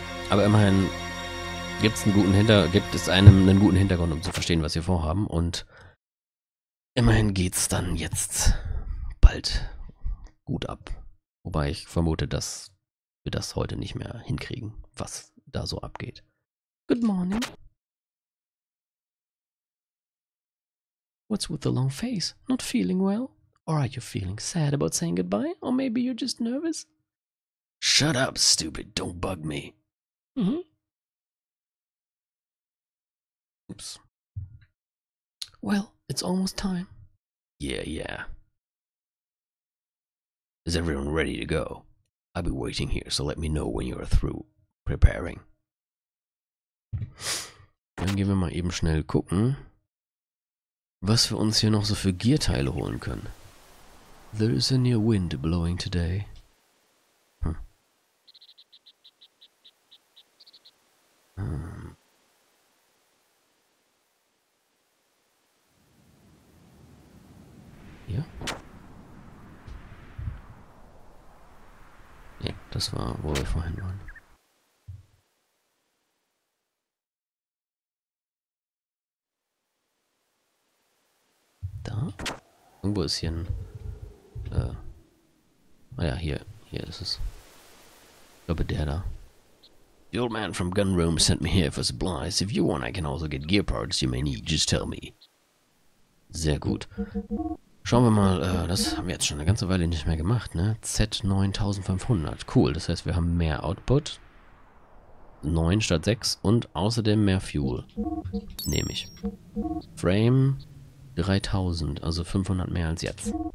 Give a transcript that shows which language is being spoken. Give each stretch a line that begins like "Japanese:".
German: Aber immerhin gibt es einem einen guten Hintergrund, um zu verstehen, was wir vorhaben. Und immerhin geht's dann jetzt bald gut ab. Wobei ich vermute, dass wir das heute nicht mehr hinkriegen, was da so abgeht.
English: Good morning. What's with the long face? Not feeling well? Or are you feeling sad about saying goodbye? Or maybe you're just nervous? Shut up, stupid. Don't bug me. Mm-hmm. Oops. Well, it's almost time. Yeah, yeah. Is everyone ready to go? I'll be waiting here, so let me know when you're through preparing.
German: Dann gehen wir mal eben schnell gucken, was wir uns hier noch so für Gearteile holen können.
English: There is a near wind blowing today.
German: Ja? Ja, das war, wo wir vorhin waren. Da? Irgendwo ist hier ein... Hier ist es. Ich glaube, der da.
English: The old man from Gun Room sent me here for supplies. If you want, I can also get gear parts you may need. Just tell me.
German: Sehr gut. Schauen wir mal, das haben wir jetzt schon eine ganze Weile nicht mehr gemacht, ne? Z9500. Cool, das heißt, wir haben mehr Output. 9 statt 6 und außerdem mehr Fuel. Nehme ich. Frame 3000, also 500 mehr als jetzt.